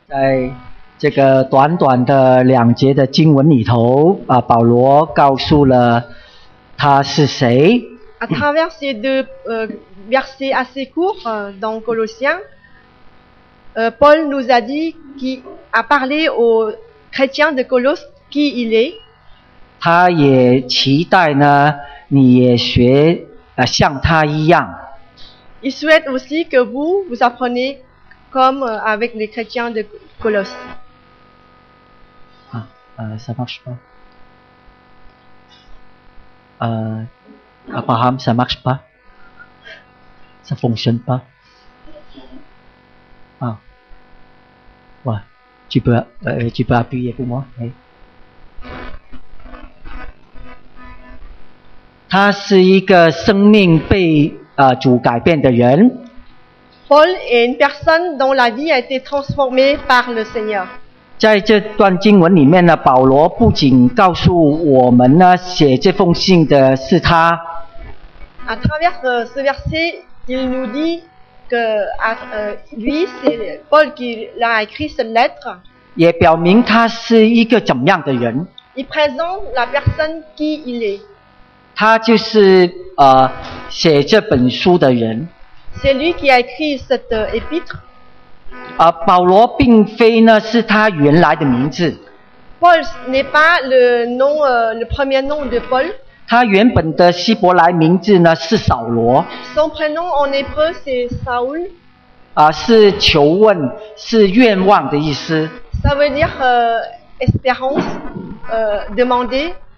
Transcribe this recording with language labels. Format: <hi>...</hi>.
<zh>在这个短短的两节的经文里头，保罗告诉了他是谁。</zh> <fr>À travers ces deux versets assez courts dans Colossiens, Paul nous a dit qu'il a parlé aux chrétiens de Colosse qui il est.</fr> <zh>他也期待呢，你也学像他一样。</zh> <fr>Il souhaite aussi que vous appreniez comme avec les chrétiens de Colosse. Ça marche pas. Abraham, ça marche pas. Ça fonctionne pas. Ah. Ouais. Tu peux appuyer pour moi. Hey.</fr> <zh>他是一个生命被主改变的人。</zh> <fr>Paul est une personne dont la vie a été transformée par le Seigneur.</fr> <zh>在这段经文里面呢，保罗不仅告诉我们呢，写这封信的是他。</zh> <fr>À travers ce verset, il nous dit que lui, c'est Paul qui l'a écrit cette lettre.</fr> <zh>也表明他是一个怎么样的人。</zh> <fr>Il présente la personne qui il est.</fr> <zh>他就是写这本书的人。</zh> <fr>C'est lui qui a écrit cette épître.</fr> <zh>保罗并非呢是他原来的名字。</zh> <fr>Paul n'est pas le nom, le premier nom de Paul.</fr> <zh>他原本的希伯来名字呢是扫罗。</zh> <fr>Son prénom en hébreu c'est Saul.</fr> <zh>是求问，是愿望的意思。</zh> <fr>Ça veut dire espérance, demander.</fr>